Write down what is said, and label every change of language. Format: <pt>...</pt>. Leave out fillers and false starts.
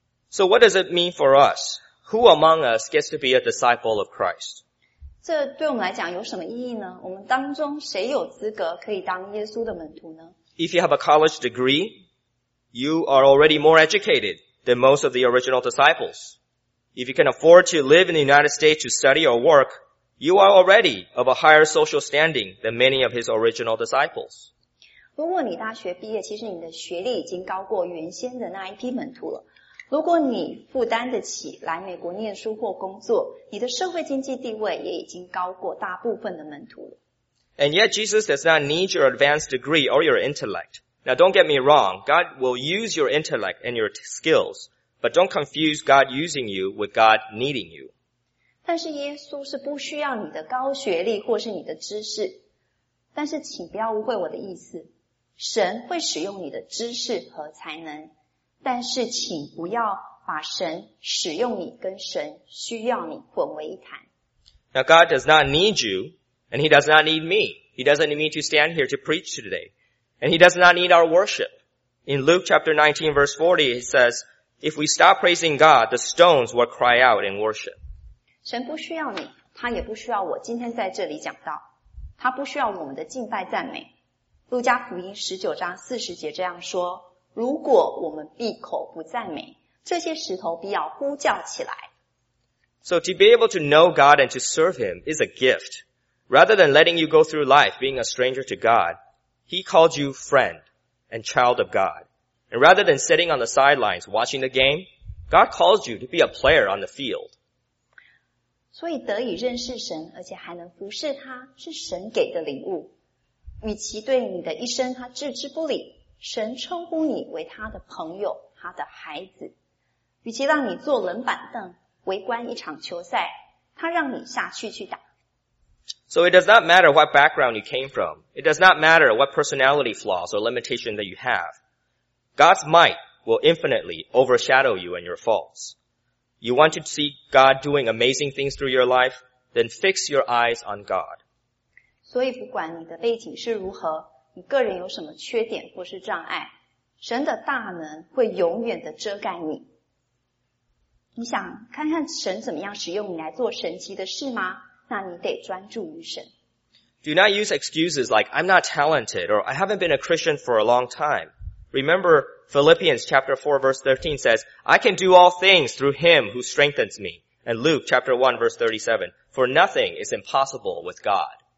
<en>So what does it mean for us? Who among us gets to be a disciple of Christ?</en> <zh>这对我们来讲有什么意义呢？我们当中谁有资格可以当耶稣的门徒呢？</zh> <en>If you have a college degree, you are already more educated than most of the original disciples. If you can afford to live in the United States to study or work, you are already of a higher social standing than many of his original disciples.</en> <zh>如果你大学毕业，其实你的学历已经高过原先的那一批门徒了。如果你负担得起来美国念书或工作，你的社会经济地位也已经高过大部分的门徒了。</zh> <en>And yet Jesus does not need your advanced degree or your intellect. Now don't get me wrong, God will use your intellect and your skills. But don't confuse God using you with God needing you.</en> <zh>但是耶稣是不需要你的高学历或是你的知识。但是请不要误会我的意思。神会使用你的知识和才能。但是请不要把神使用你跟神需要你混为一谈。</zh> <en>Now God does not need you, and he does not need me. He doesn't need me to stand here to preach today. And he does not need our worship. In Luke chapter 19 verse 40, it says,If we stop praising God, the stones will cry out in worship.</en> <zh>神不需要你，他也不需要我今天在这里讲道。他不需要我们的敬拜赞美。路加福音19章40节这样说，如果我们闭口不赞美，这些石头必要呼叫起来。</zh> <en>So to be able to know God and to serve Him is a gift. Rather than letting you go through life being a stranger to God, He called you friend and child of God. And rather than sitting on the sidelines watching the game, God calls you to be a player on the field.</en> <zh>所以得以认识神，而且还能服侍他，是神给的礼物。与其对你的一生他置之不理，神称呼你为他的朋友，他的孩子。与其让你坐冷板凳，围观一场球赛，他让你下去去打。</zh> <en>So it does not matter what background you came from. It does not matter what personality flaws or limitation that you have. God's might will infinitely overshadow you and your faults. You want to see God doing amazing things through your life? Then fix your eyes on God.</en> <zh>所以不管你的背景是如何，你个人有什么缺点或是障碍，神的大能会永远的遮盖你。你想看看神怎么样使用你来做神迹的事吗？那你得专注于神。</zh> <en>Do not use excuses like I'm not talented or I haven't been a Christian for a long time. Remember Philippians chapter 4 verse 13 says, I can do all things through him who strengthens me. And Luke chapter 1 verse 37, for nothing is impossible with God.</en>